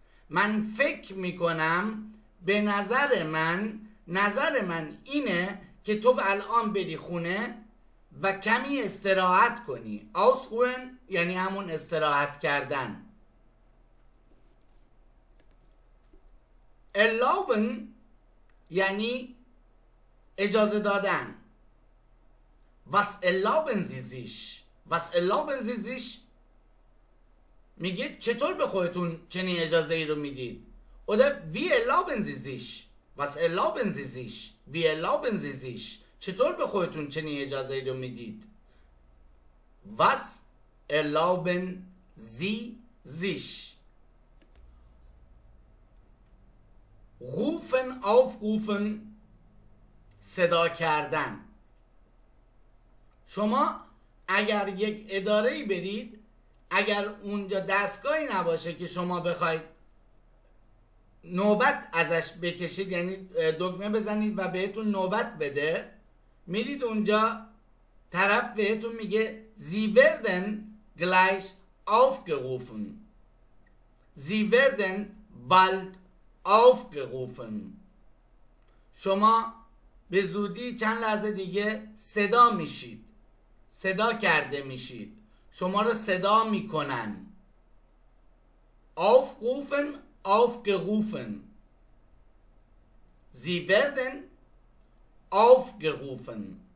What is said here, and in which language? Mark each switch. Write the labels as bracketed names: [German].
[Persian] من فکر میکنم، به نظر من، نظر من اینه که تو الان بری خونه و کمی استراحت کنی. Ausruhen یعنی همون استراحت کردن. Erlauben یعنی اجازه دادن. [German] Was erlauben Sie sich؟ Was erlauben Sie sich؟ [Persian] میگه چطور به خودتون چنین اجازه ای رو میدید؟ [German] oder wie erlauben sie sich, was erlauben sie sich, wie erlauben sie sich، [Persian] چطور به خودتون چنین اجازه ای رو میدید؟ [German] was erlauben sie sich. [Persian] rufen aufrufen صدا کردن. شما اگر یک اداره ای برید، اگر اونجا دستگاهی نباشه که شما بخواید نوبت ازش بکشید، یعنی دکمه بزنید و بهتون نوبت بده، میرید اونجا، طرف بهتون میگه [German] Sie werden gleich aufgerufen. Sie werden bald aufgerufen. [Persian] شما به زودی چند لحظه دیگه صدا میشید، صدا کرده میشید، شما رو صدا میکنن. [German] Aufrufen aufgerufen. Sie werden aufgerufen.